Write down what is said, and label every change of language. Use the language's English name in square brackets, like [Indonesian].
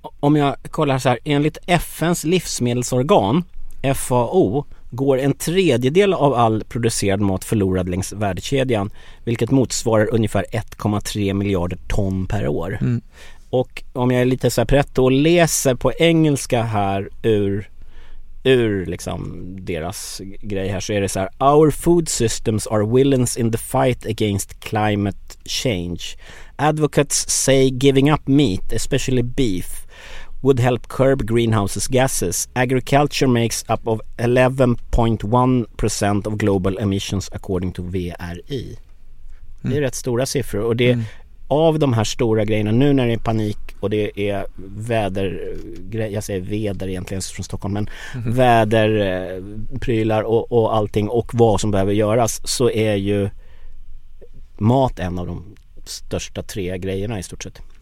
[Swedish] Om jag kollar så här, enligt FN:s livsmedelsorgan, FAO, går en tredjedel av all producerad mat förlorad längs värdekedjan, vilket motsvarar ungefär 1,3 miljarder ton per år. Mm. Och om jag är lite så här pretto och läser på engelska här ur liksom deras grej här, så är det så här: [English] our food systems are villains in the fight against climate change. Advocates say giving up meat, especially beef, would help curb greenhouse gases. Agriculture makes up of 11.1% of global emissions according to VRI. Mm. [Swedish] Det är rätt stora siffror, och det av de här stora grejerna, nu när det är panik och det är väder, jag säger väder egentligen från Stockholm, men väder, prylar och allting och vad som behöver göras, så är ju mat en av de största tre grejerna i stort sett.